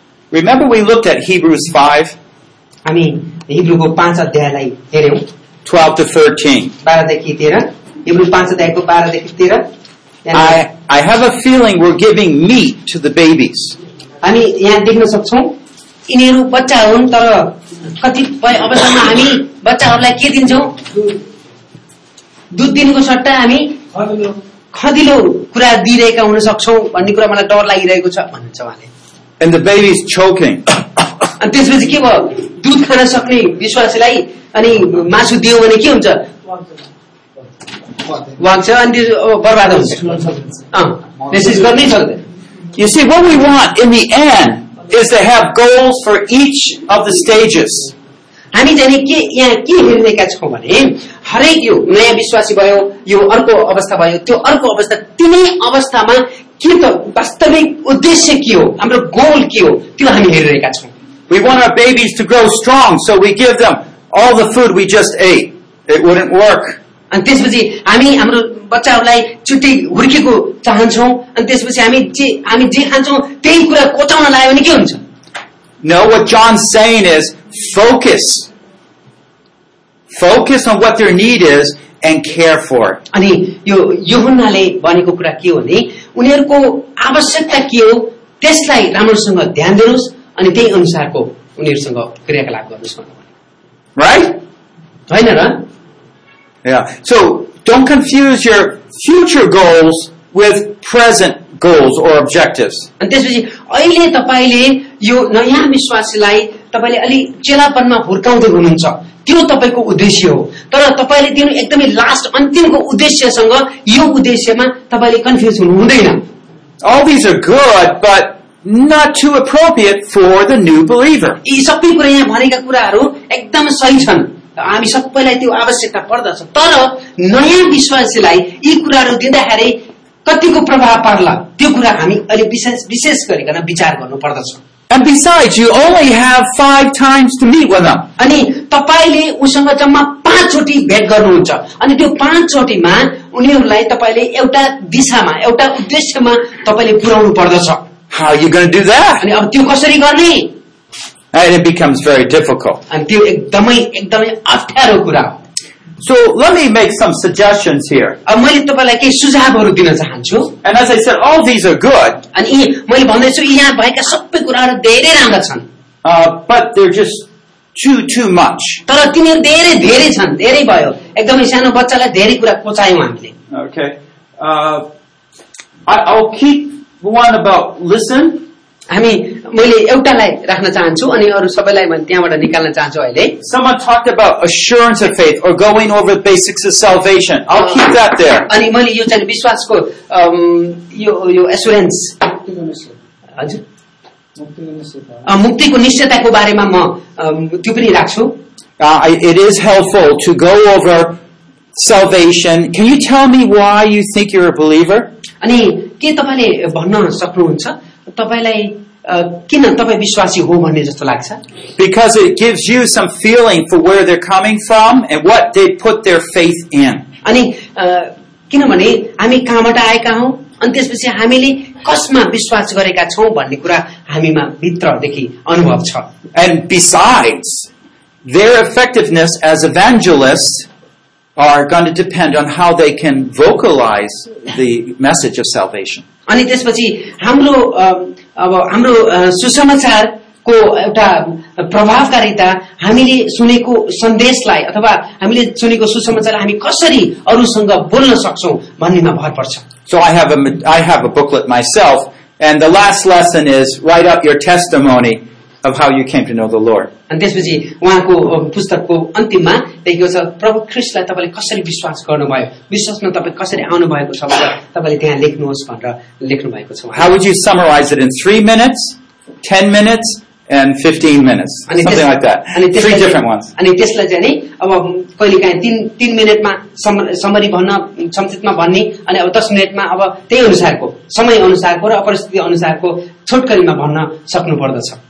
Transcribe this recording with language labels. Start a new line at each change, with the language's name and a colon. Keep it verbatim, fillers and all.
English: Remember we looked at Hebrews five? I mean, Hebrews five
Nepali: अध्यायलाई हेर्यौ
English: twelve to thirteen.
Nepali: twelve देखि तेह्र. Hebrews five अध्यायको twelve देखि तेह्र.
English: I I have a feeling we're giving meat to the babies.
Nepali: हामी यहाँ देख्न सक्छौं यिनीहरू बच्चा हुन् तर कतिपय अवस्थामा हामी बच्चाहरूलाई के दिन्छौं दुध दिनको सट्टा हामी खदिलो कुरा दिइरहेका हुन सक्छौं भन्ने कुरा मलाई डर लागिरहेको छ भन्नुहुन्छ उहाँले।
English: And the baby is choking.
Nepali: अनि त्यसपछि के भयो दुध खान सक्ने विश्वासीलाई अनि मासु दियो भने के हुन्छ वाक्छ अनि त्यो बर्बाद हुन्छ। त्यसैले गर्नै सक्दैन।
English: You see what we want in the end is to have goals for each of the stages.
Nepali: हामी चाहिँ के यहाँ के हेरिरहेका छौँ भने हरेक यो नयाँ विश्वासी भयो यो अर्को अवस्था भयो त्यो अर्को अवस्था तिनै अवस्थामा के त वास्तविक उद्देश्य के हो हाम्रो गोल के हो त्यो हामी हेरिरहेका छौँ।
English: We want our babies to grow strong so we give them all the food we just ate. It wouldn't work.
Nepali: अनि त्यसपछि हामी हाम्रो बच्चाहरूलाई छुट्टै हुर्केको चाहन्छौँ अनि त्यसपछि हामी जे हामी जे खान्छौँ त्यही कुरा कोचाउन लाग्यो भने के हुन्छ?
English: No, what John's saying is focus. Focus on what their need is and care for it.
Nepali: अनि यो यूहन्नाले भनेको कुरा के हो भने उनीहरुको आवश्यकता के हो त्यसलाई राम्रोसँग ध्यान दिनुहोस् अनि त्यही अनुसारको उनीहरुसँग क्रियाकलाप गर्नुहोस् भनेको।
English: Right?
Nepali: हैन र?
English: Yeah. So, don't confuse your future goals with present goals or objectives.
Nepali: अनि त्यसपछि अहिले तपाईले यो नयाँ विश्वासीलाई तपाईले अलि चेलापनमा हुर्काउँदै हुनुहुन्छ त्यो तपाईको उद्देश्य हो तर तपाईले दिनु एकदमै लास्ट अन्तिमको उद्देश्यसँग यो उद्देश्यमा तपाईले कन्फ्युज हुनु हुँदैन।
English: All these are good but not too appropriate for the new believer.
Nepali: यी सबै कुरा यहाँ भनेका कुराहरू एकदम सही छन् हामी सबैलाई त्यो आवश्यकता पर्दछ तर नयाँ विश्वासीलाई यी कुराहरू दिँदाखेरि कतिको प्रभाव पार्ला त्यो कुरा हामी अहिले विशेष विशेष गरिकन विचार गर्नुपर्दछ।
English: And besides, you only have five times to meet with them.
Nepali: अनि तपाईले उसँग जम्मा पाँचचोटी भेट गर्नुहुन्छ अनि त्यो पाँचचोटीमा उनीहरुलाई तपाईले एउटा दिशामा एउटा उद्देश्यमा तपाईले पुर्याउनु पर्दछ।
English: How are you going to do that?
Nepali: अनि अब त्यो कसरी गर्ने?
English: And it becomes very difficult.
Nepali: अनि त्यो एकदमै एकदमै अप्ठ्यारो कुरा हो।
English: So let me make some suggestions here.
Nepali: अब मैले तपाईलाई केही सुझावहरू दिन चाहन्छु।
English: And as I said, all these are good.
Nepali: अनि मैले भन्दैछु यहाँ भएका सबै कुराहरू धेरै राम्रा छन्।
English: Uh, but they're just too too much.
Nepali: तर तिनीहरू धेरै धेरै छन्, धेरै भयो। एकदमै सानो बच्चालाई धेरै कुरा कोचायौं हामीले।
English: Okay. Uh, I'll keep one about listen.
Nepali: हामी मैले एउटालाई राख्न चाहन्छु अनि अरू सबैलाई म त्यहाँबाट निकाल्न चाहन्छु अहिले।
English: Someone talked about assurance of faith or going over the basics of salvation. I'll keep that there.
Nepali: अनि मैले यो चाहिँ विश्वासको यो यो एश्योरेन्स हजुर मुक्तिको निश्चयताको बारेमा म त्यो पनि राख्छु।
English: It is helpful to go over salvation. Can you tell me why you think you're a believer?
Nepali: अनि के तपाईले भन्न सक्नुहुन्छ तपाईलाई किन तपाई विश्वासी हो भन्ने जस्तो लाग्छ?
English: Because it gives you some feeling for where they're coming from and what they put their faith in.
Nepali: अनि किनभने हामी कहाँबाट आएका हौ अनि त्यसपछि हामीले कसमा विश्वास गरेका छौं भन्ने कुरा हामीमा भित्रदेखि अनुभव छ।
English: And besides, their effectiveness as evangelists are going to depend on how they can vocalize the message of salvation.
Nepali: अनि त्यसपछि हाम्रो अब हाम्रो सुसमाचार को एउटा प्रभावकारिता हामीले सुनेको सन्देशलाई अथवा हामीले सुनेको सुसमाचारलाई हामी कसरी अरूसँग बोल्न सक्छौं भन्नेमा भर पर्छ।
English: So I have a I have a booklet myself, and the last lesson is write up your testimony of how you came to know the Lord.
Nepali: अनि त्यसपछि उहाँको पुस्तकको अन्तिममा लेखेको छ प्रभु ख्रीष्टलाई तपाईले कसरी विश्वास गर्नुभयो, विश्वासमा तपाईं कसरी आउनु भएको छ भनेर तपाईले त्यहाँ लेख्नुहोस् भनेर लेख्नु भएको छ।
English: How would you summarize it in three minutes, ten minutes and fifteen minutes? Something like that. Three different ones.
Nepali: अनि त्यसलाई चाहिँ नि अब कहिलेकाहीँ तीन तीन मिनेटमा समरी भन्न संक्षिप्तमा भन्ने, अनि अब दस मिनेटमा अब त्यही अनुसारको समय अनुसारको र परिस्थिति अनुसारको छोटकरीमा भन्न सक्नु पर्दछ।